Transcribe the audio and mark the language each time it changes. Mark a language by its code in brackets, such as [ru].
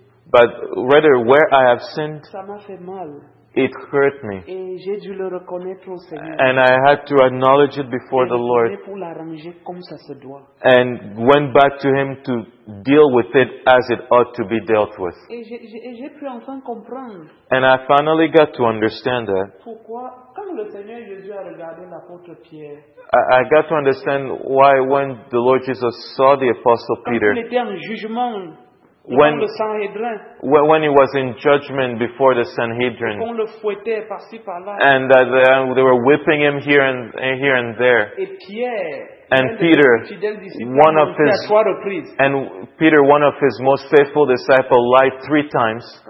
[en] But rather, where I have sinned, it hurt me. [fr] Et j'ai dû le reconnaître au Seigneur. [en] And I had to acknowledge it before the Lord. [fr] Pour l'arranger comme ça se doit. [en] And went back to Him to deal with it as it ought to be dealt with. [fr] Et j'ai pu enfin comprendre. [en] And I finally got to understand that. [fr] Pourquoi, quand le Seigneur Jésus a regardé l'apôtre Pierre, [en] I got to understand why when the Lord Jesus saw the Apostle Peter, [fr] quand il était en jugement, [en] When he was in judgment before the Sanhedrin, and that they were whipping him here and here and there, Peter, one of his most faithful disciples, lied three times.